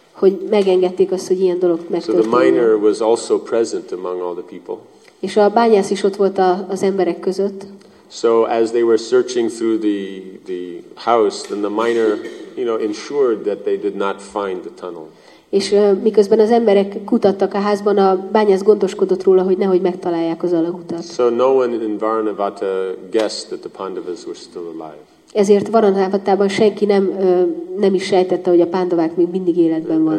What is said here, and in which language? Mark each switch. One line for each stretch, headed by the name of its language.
Hungarian: Hogy megengedték azt, hogy ilyen dolog megtörténjen.
English: So the miner was also present among all the people.
Hungarian: És a bányász is ott volt az emberek között.
English: So as they were searching through the house, then the miner you know, ensured that they did not find the tunnel.
Hungarian: És miközben az emberek kutattak a házban, a bányász gondoskodott róla, hogy nehogy megtalálják az alagutat.
English: So no one in Varanavata guessed that the Pandavas were still alive.
Hungarian: Ezért Varanavatában senki nem is sejtette, hogy a pándavák még mindig életben vannak.